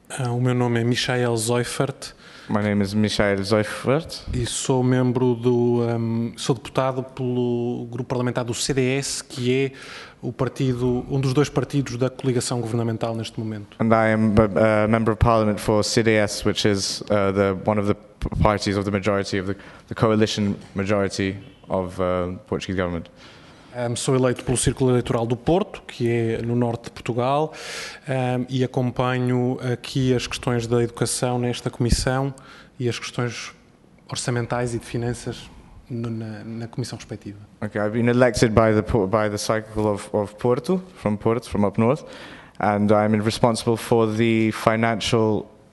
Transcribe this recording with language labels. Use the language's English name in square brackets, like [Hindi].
[Portuguese] O meu nome é Michael Zoifert. [English] My name is Michael Zoifert. [Portuguese] E sou membro do sou deputado pelo grupo parlamentar do CDS, que é o partido, um dos dois partidos da coligação governamental neste momento. [English] And I am a member of parliament for CDS, which is the one of the parties of the majority of the coalition majority of Portuguese government. [Portuguese] Sou eleito pelo Círculo Eleitoral do Porto, que é no norte de Portugal, e acompanho aqui as questões da educação nesta comissão e as questões orçamentais e de finanças na comissão respectiva. [English] Okay, I've been elected by the Círculo of Porto, from Porto, from up north, and I'm responsible for the financial.